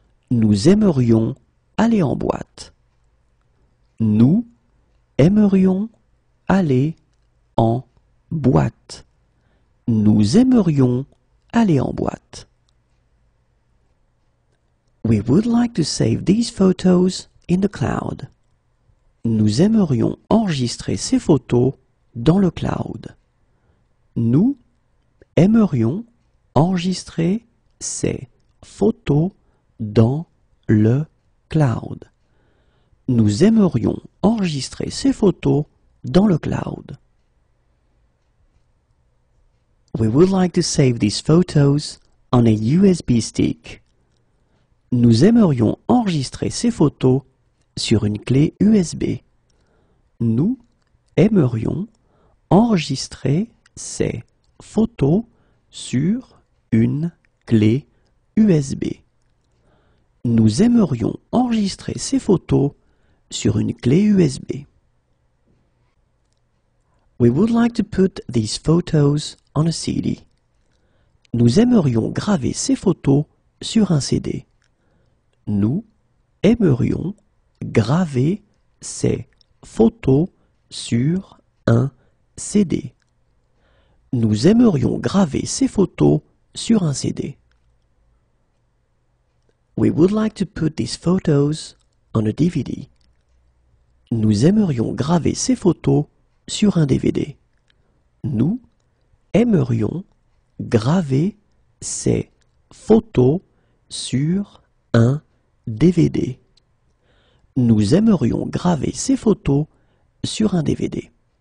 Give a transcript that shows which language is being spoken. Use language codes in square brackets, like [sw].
[fr] Nous aimerions aller en boîte. Nous aimerions aller en boîte. Nous aimerions aller en boîte. [en] We would like to save these photos in the cloud. [fr] Nous aimerions enregistrer ces photos dans le cloud. Nous aimerions enregistrer ces photos dans le cloud. Nous aimerions enregistrer ces photos dans le cloud. [en] We would like to save these photos on a USB stick. [fr] Nous aimerions enregistrer ces photos sur une clé USB. Nous aimerions enregistrer ces photos sur une clé USB. Nous aimerions enregistrer ces photos sur une clé USB. [en] We would like to put these photos on a CD. [fr] Nous aimerions graver ces photos sur un CD. Nous aimerions graver ces photos sur un CD. Nous aimerions graver ces photos sur un CD. [en] We would like to put these photos on a DVD. [fr] Nous aimerions graver ces photos sur un DVD. Nous aimerions graver ces photos sur un DVD. Nous aimerions graver ces photos sur un DVD.